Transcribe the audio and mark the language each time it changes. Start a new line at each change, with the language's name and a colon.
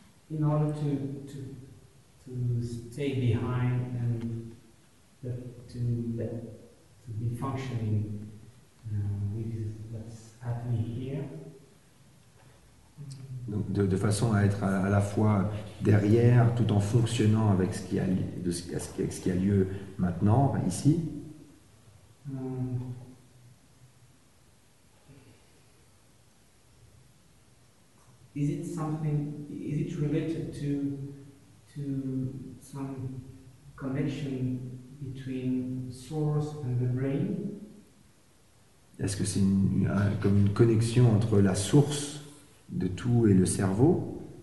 English: In order to stay behind and to be functioning with what's happening here.
French: Donc de façon à être à la fois derrière tout en fonctionnant avec ce qui a lieu maintenant ici.
English: Is it related to some connection between source and the brain?
French: Est-ce que c'est comme une connexion entre la source de tout et le cerveau?